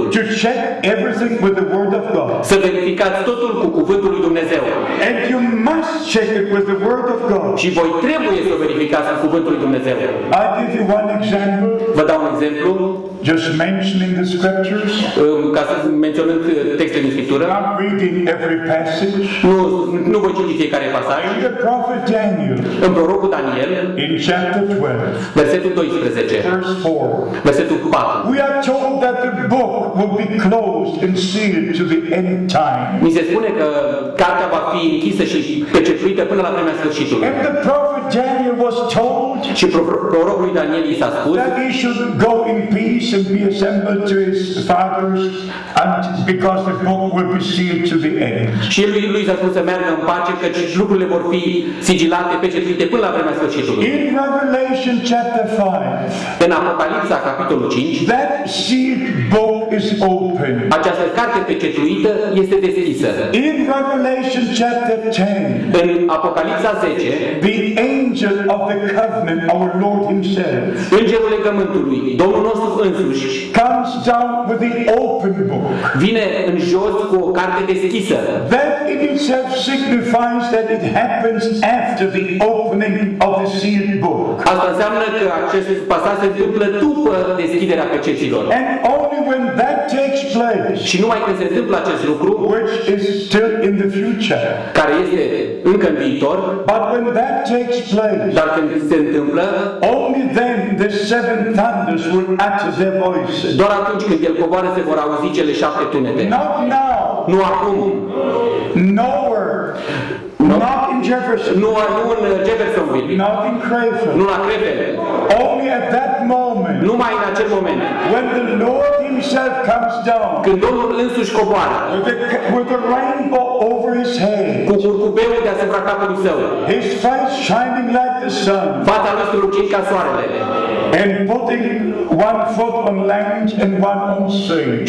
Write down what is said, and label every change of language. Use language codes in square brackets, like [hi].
[en] to check everything with the word of God. [ro] Să verificați totul cu cuvântul lui Dumnezeu. [en] And you must check it with the word of God. [ro] Și voi trebuie să verificați cu cuvântul lui Dumnezeu. [en] I give you one example. [ro] Vă dau un exemplu. [en] Just mentioning the scriptures. [ro] Ca să menționând textele din Scriptură. [en] Not reading every passage. [ro] Nu voi citi fiecare pasaj. [en] In the prophet Daniel. [ro] În prorocul Daniel. [en] In chapter 12. [ro] Versetul 12. [en] Verse 4. [ro] Versetul 4. [en] We are told that the book will be closed and sealed to the end time. [ro] Mi se spune că cartea va fi închisă și pecetuită până la vremea sfârșitului. [en] And the prophet Daniel was told. [ro] Și prorocul Daniel i s-a spus. [en] That he should go in peace. Should be assembled to his fathers, and because the book will be sealed to the end. [ro] Și lui s-a spus să meargă în pace, căci lucrurile vor fi sigilate, pecetuite până la vremea sfârșitului. [en] In Revelation chapter 5. [ro] În Apocalipsa capitolul 5. [en] That sealed book is open. [ro] Această carte pecetuită este deschisă. [en] In Revelation chapter 10. [ro] În Apocalipsa 10. [en] The angel of the covenant, our Lord himself. [ro] Îngerul legământului, Domnul nostru însuși. [en] Comes down with the open book. [ro] Vine în jos cu o carte deschisă. [en] That in itself signifies that it happens after the opening of the sealed book. [ro] Asta înseamnă că acest pasaj se întâmplă după deschiderea pecetilor. [en] And only when that takes place. [ro] Și numai când se întâmplă acest lucru, [en] which is still in the future. [ro] Care este încă în viitor. [en] But when that takes place. [ro] Dar când se întâmplă, [en] only then the seven thunders will [ro] doar atunci când el coboară se vor auzi cele șapte tunete. [en] Not now. [ro] Nu acum. [en] Nowhere. No. Not in Jefferson. [ro] Nu acum în Jeffersonville. [en] Not in Crayford. [ro] Nu la Crayford. [en] Only at that moment. [ro] Numai în acel moment. [en] When the Lord himself comes down. [ro] Când Domnul însuși coboară. [en] With the rainbow over his head. [ro] Cu curcubeul deasupra capului său. [en] His face shining like the sun. [ro] Fața lui strălucind ca soarele. [en] And putting one foot on land and one on sea.